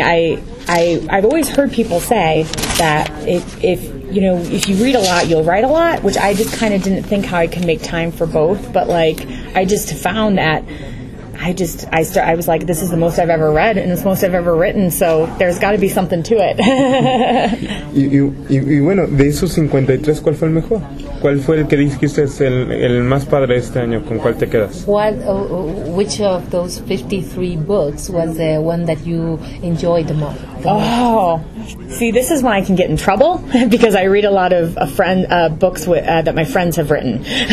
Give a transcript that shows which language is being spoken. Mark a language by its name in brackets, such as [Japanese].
[English] I've always heard people say that if you read a lot, you'll write a lot, which I just kind of didn't think how I can make time for both. But, like, I just found that I was like, this is the most I've ever read, and it's the most I've ever written, so there's got to be something to it. [Spanish] y bueno, de esos 53, ¿cuál fue el mejor? ¿Cuál fue el que dijiste es el más padre este año? ¿Con cuál te quedas? [English] Which of those 53 books was the one that you enjoyed the most? Oh, see, this is when I can get in trouble, because I read a lot of books that my friends have written.